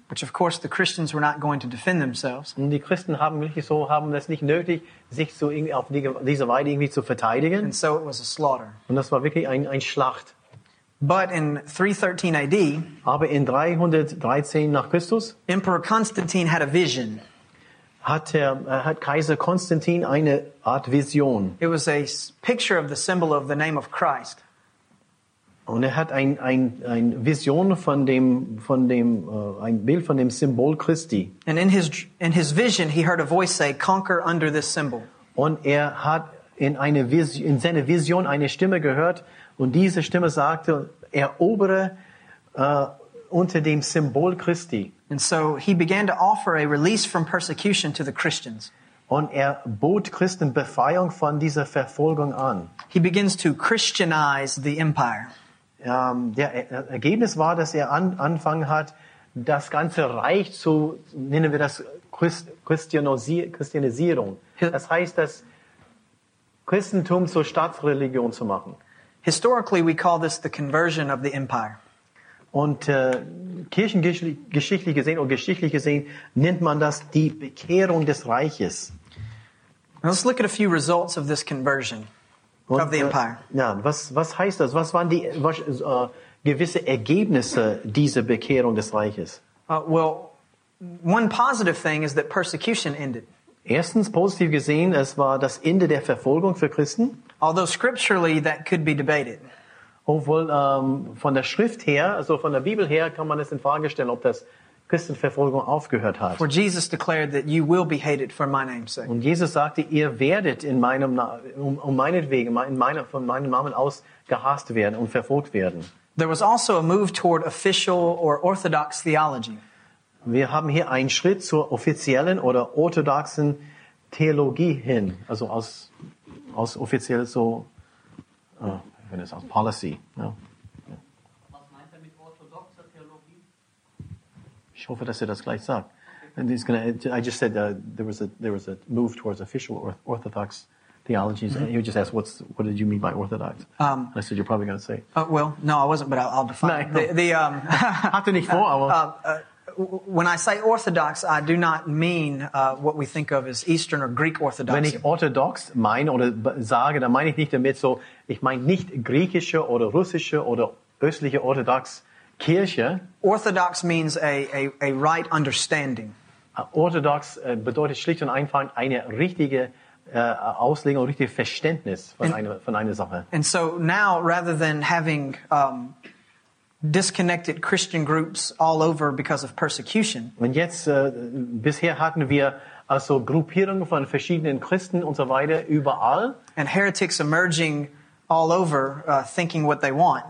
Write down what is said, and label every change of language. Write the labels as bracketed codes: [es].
[en] Which of course the Christians were not going to defend themselves. [de] Und die Christen haben es nicht nötig, sich so irgendwie auf diese Weide irgendwie zu verteidigen. [en] And so it was a slaughter. [de] Und das war wirklich ein Schlacht. [en] But in 313 AD, [de] aber in 313 nach Christus, [en] Emperor Constantine had a vision. [de] Hat Kaiser Konstantin eine Art Vision. [en] It was a picture of the symbol of the name of Christ. [de] Und er hat ein Vision ein Bild von dem Symbol Christi. [en] And in his vision he heard a voice say, conquer under this symbol. [de] Und er hat in seiner Vision eine Stimme gehört und diese Stimme sagte, erobere unter dem Symbol Christi. [en] And so he began to offer a release from persecution to the Christians. [de] Und er bot Christen Befreiung von dieser Verfolgung an. [en] He begins to Christianize the empire. [de] Das Ergebnis war, dass er angefangen hat, das ganze Reich zu, nennen wir das Christianisierung. Das heißt, das Christentum zur Staatsreligion zu machen. [en] Historically we call this the conversion of the empire. [de] Und kirchengeschichtlich gesehen oder geschichtlich gesehen nennt man das die Bekehrung des Reiches. [en] Now let's look at a few results of this conversion of the empire. [de] Ja, was heißt das? Was waren die gewisse Ergebnisse dieser Bekehrung des Reiches? [en] Well, one positive thing is that persecution ended. [de] Erstens, positiv gesehen, es war das Ende der Verfolgung für Christen. [en] Although scripturally that could be debated. [de] Obwohl von der Schrift her, also von der Bibel her, kann man es in Frage stellen, ob das Christenverfolgung aufgehört hat. [en] For Jesus declared that you will be hated for my name's sake. [de] Und Jesus sagte, ihr werdet in meinem von meinem Namen aus gehasst werden und verfolgt werden. [en] There was also a move toward official or orthodox theology. [de] Wir haben hier einen Schritt zur offiziellen oder orthodoxen Theologie hin, also aus offiziell so wenn es aus Policy. Ja. Was meint er mit orthodoxer Theologie? Ich hoffe, dass er das gleich sagt. Okay. [en] And he's gonna, I just said there was a move towards official orthodox theology. Mm-hmm. He just asked, what did you mean by orthodox? And I said, you're probably going to say. Well, no, I wasn't, but I'll define it. [de] Hatte nicht vor, aber. [en] When I say orthodox, I do not mean what we think of as Eastern or Greek orthodoxy. [de] Wenn ich orthodox meine oder sage, dann meine ich nicht damit so, ich meine nicht griechische oder russische oder östliche orthodox Kirche. [en] Orthodox means a right understanding. [de] Orthodox bedeutet schlicht und einfach eine richtige Auslegung, richtige Verständnis von einer Sache. [en] And so now, rather than having disconnected Christian groups all over because of persecution. [de] Und jetzt bisher hatten wir also Gruppierungen von verschiedenen Christen und so weiter überall. [en] And heretics emerging all over, thinking what they want.